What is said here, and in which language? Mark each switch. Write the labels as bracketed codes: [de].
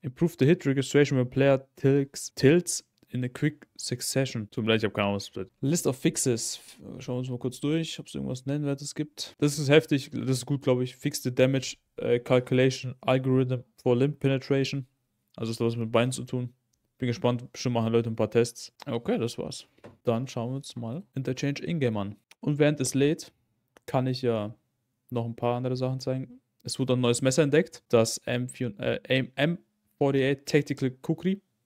[en] Improve the hit registration when player tilts in a quick succession. [de] Tut mir leid, ich habe keine Ahnung, was das bedeutet. [en] List of fixes. [de] Schauen wir uns mal kurz durch, ob es irgendwas Nennwertes gibt. Das ist heftig. Das ist gut, glaube ich. [en] Fix the damage calculation algorithm for limb penetration. [de] Also ist da was mit Beinen zu tun. Bin gespannt, bestimmt machen Leute ein paar Tests. Okay, das war's. Dann schauen wir uns mal Interchange in-game an. Und während es lädt, kann ich ja noch ein paar andere Sachen zeigen. Es wurde ein neues Messer entdeckt, das M48 Tactical Kukri.